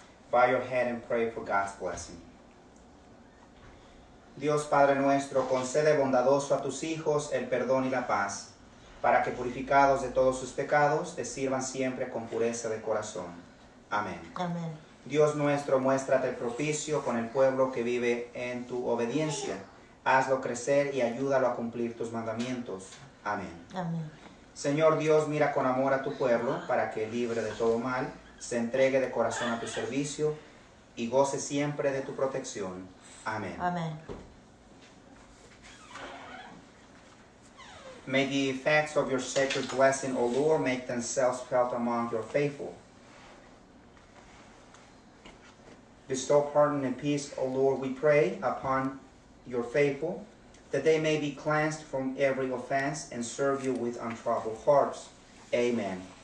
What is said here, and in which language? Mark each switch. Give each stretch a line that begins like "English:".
English: Bow your head and pray for God's blessing.
Spanish: Dios Padre nuestro, concede bondadoso a tus hijos el perdón y la paz, para que purificados de todos sus pecados, te sirvan siempre con pureza de corazón. Amén. Amén. Dios nuestro, muéstrate propicio con el pueblo que vive en tu obediencia. Hazlo crecer y ayúdalo a cumplir tus mandamientos. Amén. Amén. Señor Dios, mira con amor a tu pueblo para que, libre de todo mal, se entregue de corazón a tu servicio y goce siempre de tu protección. Amén. Amén.
English: May the effects of your sacred blessing, O Lord, make themselves felt among your faithful. Bestow pardon and peace, O Lord, we pray, upon your faithful, that they may be cleansed from every offense and serve you with untroubled hearts. Amen.